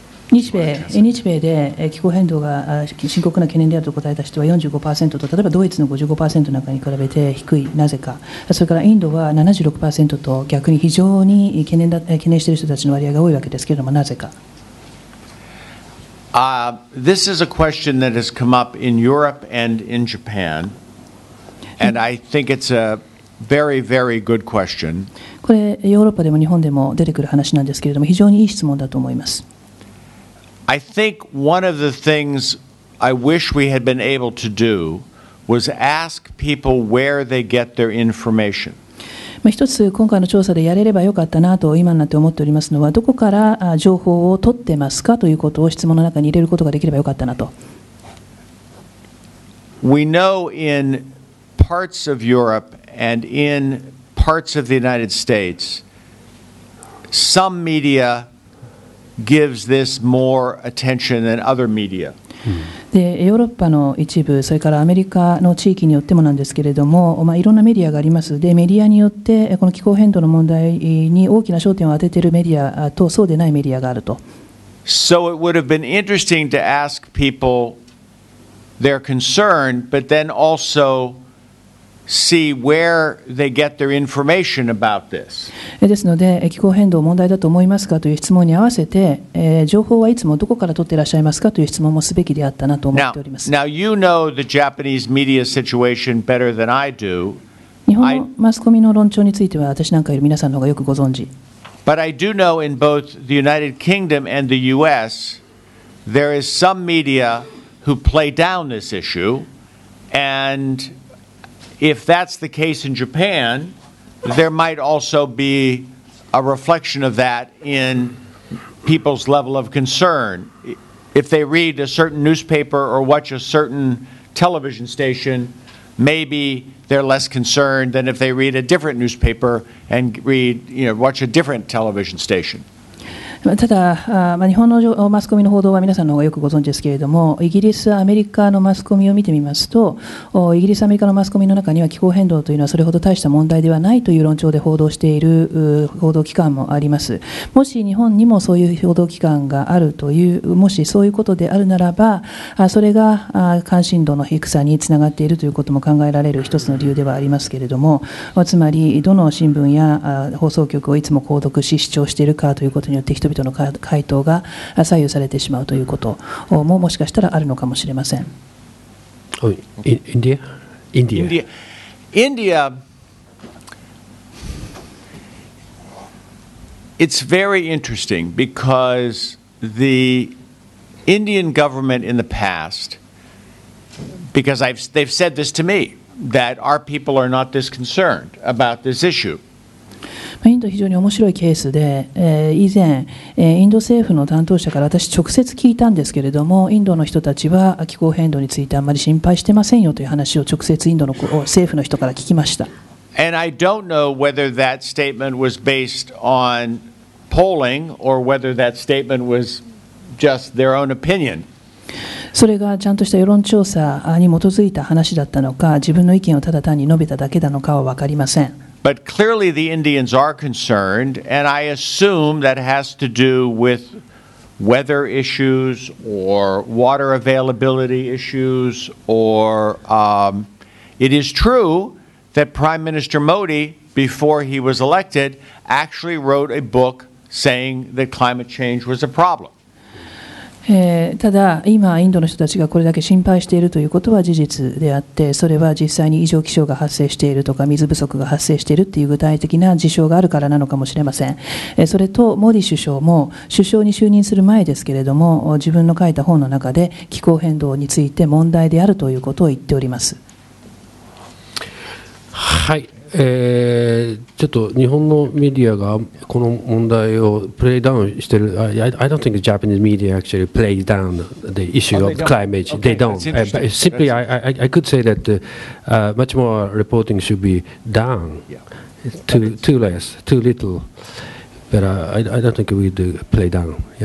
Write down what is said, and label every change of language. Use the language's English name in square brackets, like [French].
[Japanese] 日米で気候変動が深刻な懸念であると答えた人は 45% と、例えばドイツの 55% なんかに比べて低い、なぜか。それからインドは 76% と、逆に非常に懸念している人たちの割合が多いわけですけれども、なぜか。 [English] This is a question that has come up in Europe and in Japan, and I think it's a very, very good question. [Japanese] これ、ヨーロッパでも日本でも出てくる話なんですけれども、非常にいい質問だと思います。 [English] I think one of the things I wish we had been able to do was ask people where they get their information. [Japanese] 一つ今回の調査でやれればよかったなと今になって思っておりますのは、どこから情報を取ってますかということを質問の中に入れることができればよかったなと。 [English] We know in parts of Europe and in parts of the United States, some mediagives this more attention than other media. [Japanese] で、ヨーロッパの一部、それからアメリカの地域によってもなんですけれども、まあ、いろんなメディアがあります。で、メディアによってこの気候変動の問題に大きな焦点を当てているメディアとそうでないメディアがあると。 [English] So it would have been interesting to ask people their concern, but then also. See where they get their information about this. [Japanese] ですので、気候変動問題だと思いますかという質問に合わせて、情報はいつもどこから取っていらっしゃいますかという質問もすべきであったなと思っております。 [English] Now you know the Japanese media situation better than I do. [Japanese] 日本のマスコミの論調については私なんかより皆さんの方がよくご存知。 [English] But I do know in both the United Kingdom and the U.S. there is some media who play down this issue and if that's the case in Japan, there might also be a reflection of that in people's level of concern. If they read a certain newspaper or watch a certain television station, maybe they're less concerned than if they read a different newspaper and read, you know, watch a different television station. [Japanese] ただ、まあ、日本のマスコミの報道は皆さんの方がよくご存知ですけれども、イギリス、アメリカのマスコミを見てみますと、イギリス、アメリカのマスコミの中には気候変動というのはそれほど大した問題ではないという論調で報道している報道機関もあります。もし日本にもそういう報道機関があるという、もしそういうことであるならば、それが関心度の低さにつながっているということも考えられる一つの理由ではありますけれども、つまりどの新聞や放送局をいつも購読し、視聴しているかということによって、人々の回答が左右されてしまうということももしかしたらあるのかもしれません。インディア。 [English] India, it's very interesting because the Indian government in the past, because they've said this to me, that our people are not this concerned about this issue. [Japanese] インド非常に面白いケースで、以前インド政府の担当者から私直接聞いたんですけれども、インドの人たちは気候変動についてあんまり心配してませんよという話を直接インドの政府の人から聞きました。 [English] And I don't know whether that statement was based on polling or whether that statement was just their own opinion. [Japanese] それがちゃんとした世論調査に基づいた話だったのか、自分の意見をただ単に述べただけなのかは分かりません。 [English] But clearly the Indians are concerned, and I assume that has to do with weather issues or water availability issues, or it is true that Prime Minister Modi, before he was elected, actually wrote a book saying that climate change was a problem. [Japanese] ただ今インドの人たちがこれだけ心配しているということは事実であって、それは実際に異常気象が発生しているとか水不足が発生しているという具体的な事象があるからなのかもしれません。それとモディ首相も首相に就任する前ですけれども、自分の書いた本の中で気候変動について問題であるということを言っております。はい、ちょっと日本のメディアがこの問題をプレイダウンしてる。 [English] I don't think the Japanese media actually plays down the issue of climate change. They don't. Simply, I could say that much more reporting should be done. Too less, too little. But I don't think we do play down.